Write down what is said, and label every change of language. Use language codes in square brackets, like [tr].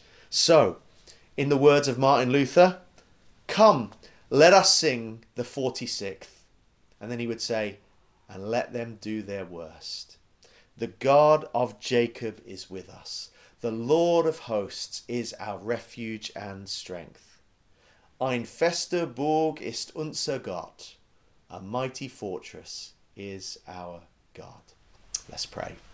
[en] So, in the words of Martin Luther, come, let us sing the 46th. And then he would say, and let them do their worst. The God of Jacob is with us. The Lord of hosts is our refuge and strength. [de] Ein fester Burg ist unser Gott. [en] A mighty fortress is our God. Let's pray.